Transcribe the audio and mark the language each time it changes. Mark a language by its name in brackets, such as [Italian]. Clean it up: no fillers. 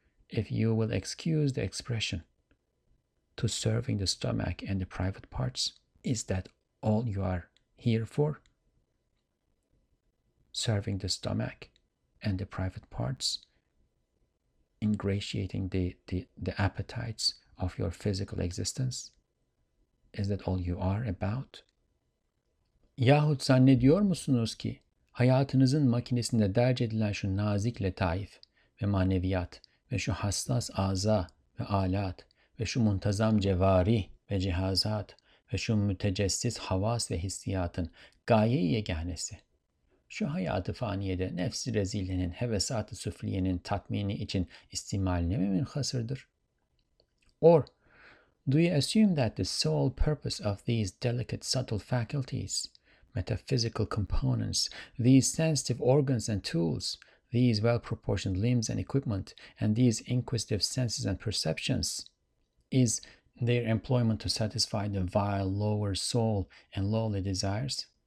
[English] If you will excuse the expression, to serving the stomach and the private parts, is that all you are here for? Serving the stomach and the private parts, ingratiating the appetites of your physical existence, is that all you are about? [Turkish] Yahut zannediyor musunuz ki hayatınızın makinesinde derc edilen şu nazik letaif ve maneviyat ve şu hassas aza ve alat ve şu muntazam cevari ve cihazat ve şu mütecessis havas ve hissiyatın gaye-i yeganesi, şu hayatı faniyede nefsi rezilenin hevesat-ı süfliyenin tatmini için istimaline mi münhasırdır? [English] Or, do you assume that the sole purpose of these delicate subtle faculties, metaphysical components, these sensitive organs and tools, these well-proportioned limbs and equipment, and these inquisitive senses and perceptions, is their employment to satisfy the vile lower soul and lowly desires?